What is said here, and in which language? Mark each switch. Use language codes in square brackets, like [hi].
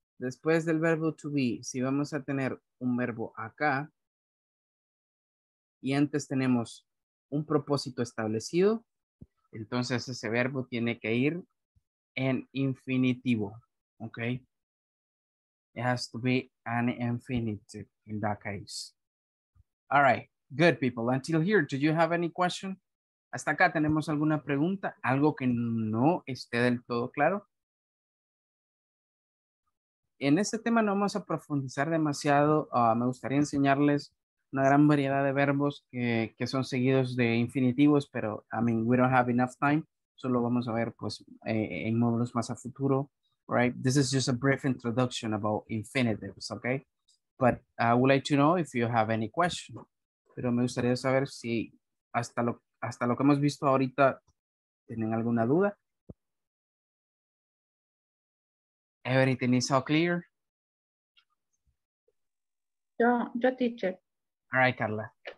[es] Después del verbo to be, si vamos a tener un verbo acá, y antes tenemos un propósito establecido, entonces ese verbo tiene que ir en infinitivo, ¿ok? [en] It has to be an infinitive in that case. All right, good people, until here, do you have any question? [es] ¿Hasta acá tenemos alguna pregunta? ¿Algo que no esté del todo claro? En este tema no vamos a profundizar demasiado. Me gustaría enseñarles una gran variedad de verbos que son seguidos de infinitivos, pero, [en] I mean, we don't have enough time. [es] Solo vamos a ver, pues, en módulos más a futuro, right? [en] This is just a brief introduction about infinitives, okay? But I would like to know if you have any question. [es] Pero me gustaría saber si hasta lo que hemos visto ahorita tienen alguna duda. [en] Everything is all clear? [es] Yo, teacher. [en] All right, Carla.